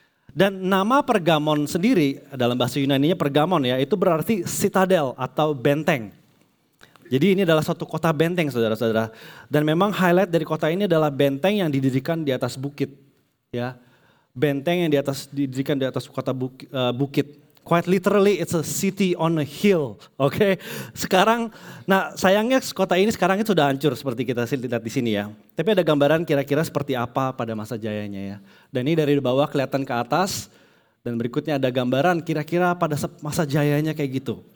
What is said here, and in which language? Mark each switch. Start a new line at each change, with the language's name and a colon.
Indonesian: Dan nama Pergamon sendiri dalam bahasa Yunani-nya Pergamon ya, itu berarti citadel atau benteng. Jadi ini adalah suatu kota benteng, saudara-saudara. Dan memang highlight dari kota ini adalah benteng yang didirikan di atas bukit ya. Benteng yang didirikan di atas kota bukit.
English: Quite literally it's a city on a hill. Oke. Okay?
Indonesian: Sekarang nah sayangnya kota ini sekarang itu sudah hancur seperti kita lihat di sini ya. Tapi ada gambaran kira-kira seperti apa pada masa jayanya ya. Dan ini dari bawah kelihatan ke atas dan berikutnya ada gambaran kira-kira pada masa jayanya kayak gitu.